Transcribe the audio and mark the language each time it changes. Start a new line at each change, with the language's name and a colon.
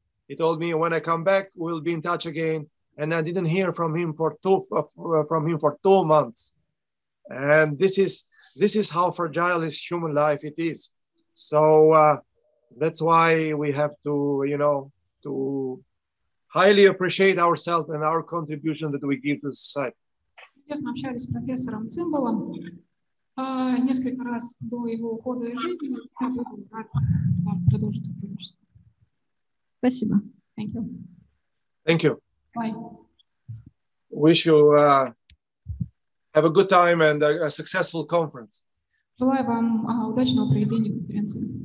English: He told me when I come back, we'll be in touch again. And I didn't hear from him for two months. And this is how fragile his human life it is. So, that's why we have to, you know, to highly appreciate ourselves and our contribution that we give to society.
Russian: Я общалась с профессором Цимбалом несколько раз до его ухода из жизни. Я буду рад продолжить сотрудничество. Спасибо.
English: Thank you. Thank you. Bye. Wish you Have a good time and a successful conference.
Russian: Желаю вам удачного проведения конференции.